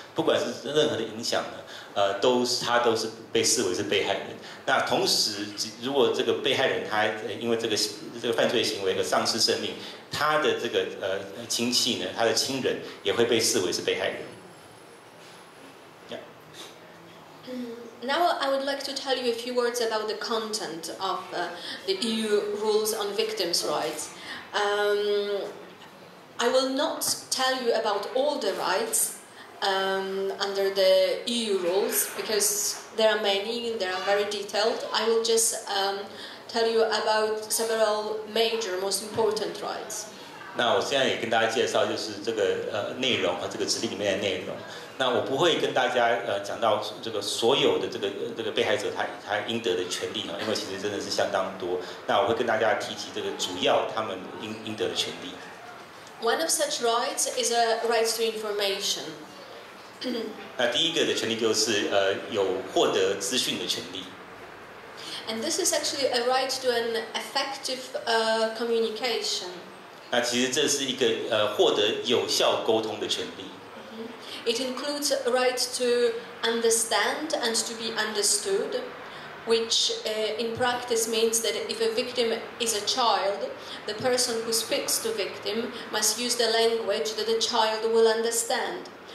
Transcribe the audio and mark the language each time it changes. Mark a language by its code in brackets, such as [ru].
[zh] 不管是任何的影响呢，他都是被视为是被害人。那同时，如果这个被害人他因为这个犯罪行为而丧失生命，他的这个亲戚呢，他的亲人也会被视为是被害人。 [en] Now I would like to tell you a few words about the content of the EU rules on victims' rights. I will not tell you about all the rights under the EU rules because there are many and they are very detailed. I will just tell you about several major, most important rights. [zh] 那我现在也跟大家介绍就是这个内容和这个指令里面的内容。那我不会跟大家讲到这个所有的这个被害者他应得的权利，因为其实真的是相当多。那我会跟大家提及这个主要他们应得的权利。 [en] One of such rights is a right to information. [zh] 那第一个的权利就是有获得资讯的权利。 [en] And this is actually a right to an effective communication. [zh] 那其实这是一个获得有效沟通的权利。 [en] It includes a right to understand and to be understood, which in practice means that if a victim is a child, the person who speaks to victim must use the language that the child will understand.